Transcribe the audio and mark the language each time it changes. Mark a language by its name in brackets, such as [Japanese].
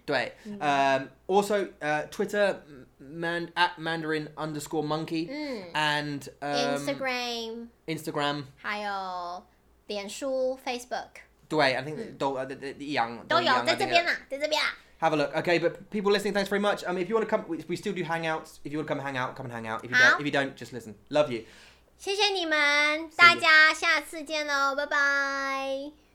[English] 对，also, Twitter, @mandarin_monkey, and [Chinese] Instagram, 还有脸书 Facebook。对， [English] I think [Chinese] 都一样。都有，在这边啦，在这边啦。 [English] Have a look. Okay, but people listening, thanks very much. If you want to come, we still do hangouts. If you want to come hang out, come and hang out. If you don't, just listen. Love you. [Chinese] 谢谢你们，大家下次见喽，拜拜。